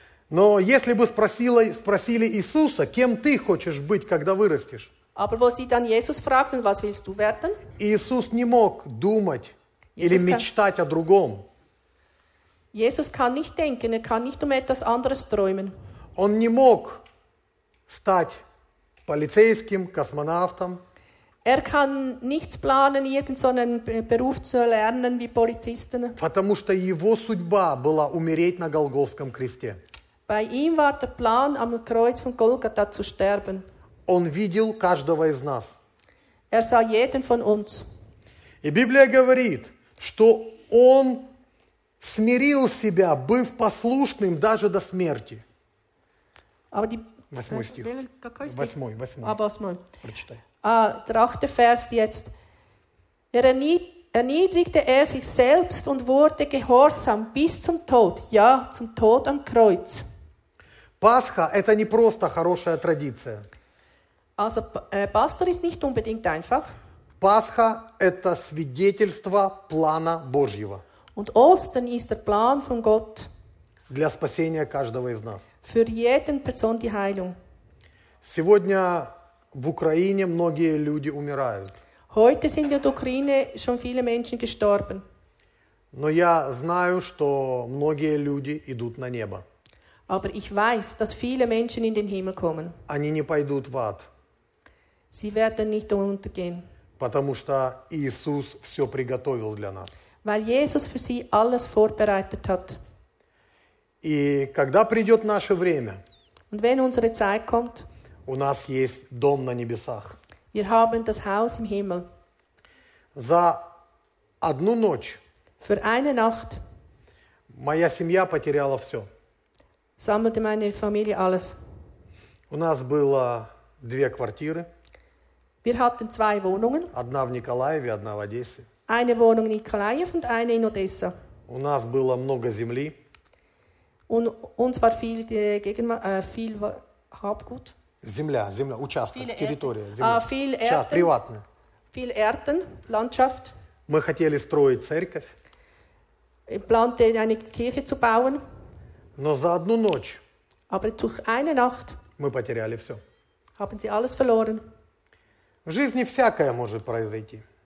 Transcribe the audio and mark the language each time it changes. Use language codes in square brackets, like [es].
[ru] Но если бы спросили Иисуса, кем ты хочешь быть, когда вырастешь? [de] Aber wo sie dann Jesus fragten, was willst du werden? [ru] Иисус не мог думать или мечтать о другом. [de] Jesus kann nicht denken, er kann nicht um etwas anderes träumen. [ru] Он не мог стать полицейским, космонавтом. [de] Er kann nichts planen, irgendeinen Beruf zu erlernen wie Polizisten. [ru] Потому что его судьба была умереть на Голгофском кресте. [de] Bei ihm war der Plan, am Kreuz von Golgatha zu sterben. [ru] Он видел каждого из нас. [de] Er sah jeden von uns. [ru] И Библия говорит, что он смирил себя, быв послушным даже до смерти. [de] Aber die, [ru] восьмой стих. Восьмой, восьмой. А, восьмой. Прочитай. [de] Der achte Vers jetzt. Erniedrigte er sich selbst und wurde gehorsam bis zum Tod. Ja, zum Tod am Kreuz. [ru] Пасха – это не просто хорошая традиция. [de] Also, пастор ist nicht unbedingt einfach. [ru] Пасха – это свидетельство плана Божьего. [de] Und Ostern ist der Plan von Gott. [ru] Для спасения каждого из нас. [de] Für jeden Person die Heilung. [ru] Сегодня в Украине многие люди умирают. [de] Heute sind in der Ukraine schon viele Menschen gestorben. [ru] Но я знаю, что многие люди идут на небо. [de] Aber ich weiß, dass viele Menschen in den Himmel kommen. [ru] Они не пойдут в ад. [de] Sie werden nicht untergehen. [ru] Потому что Иисус все приготовил для нас. [de] Weil Jesus für sie alles vorbereitet hat. [ru] И когда придет наше время, [de] und wenn unsere Zeit kommt, [ru] у нас есть дом на небесах. [de] Wir haben das Haus im Himmel. [ru] За одну ночь, [de] für eine Nacht, [ru] моя семья потеряла все. [de] Sammelte meine Familie alles. [ru] У нас было две квартиры. [de] Wir hatten zwei Wohnungen. [ru] Одна в Николаеве, одна в Одессе. [de] Eine Wohnung in Nikolaev und eine in Odessa. [ru] У нас было много земли. [de] Und uns war viel viel Habgut. [ru] Земля, участок, viele территория, [de] Erden. [ru] Земля. [de] Viel Erden, [ru] приватно. [de] Viel Erden, Landschaft. [ru] Мы хотели строить церковь. [de] Ich plante eine Kirche zu bauen. [ru] Но за одну ночь. [de] Aber durch eine Nacht. [ru] Мы потеряли все. [de] Haben sie alles verloren. [ru] В жизни всякое может произойти.